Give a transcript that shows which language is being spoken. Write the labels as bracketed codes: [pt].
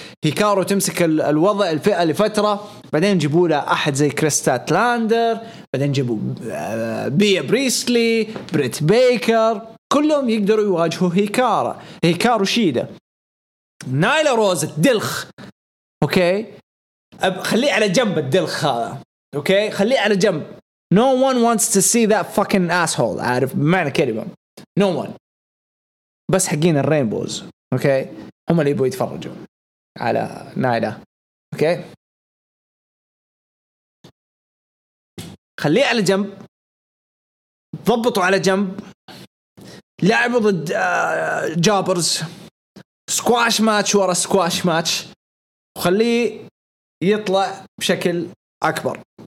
[ar] هيكارو تمسك الوضع الفئة لفترة، بعدين جيبوا له أحد زي كريستات لاندر، بعدين جيبوا بيا بريسلي، بريت بيكر، كلهم يقدروا يواجهوا هيكارا. هيكارو شيدا، نايلا روز الدلخ، أوكي خليه على جنب الدلخ هذا، أوكي خليه على جنب. [en] No one wants to see that fucking asshole. [ar] عارف معنى كلمة [en] No one. [ar] بس حقين الرينبوز، أوكي هم اللي يبوا يتفرجوا على نايلا، أوكي خليه على جنب، ضبطوا على جنب، لعبوا ضد جابرز سكواش ماتش ورا سكواش ماتش، وخليه يطلع بشكل أكبر.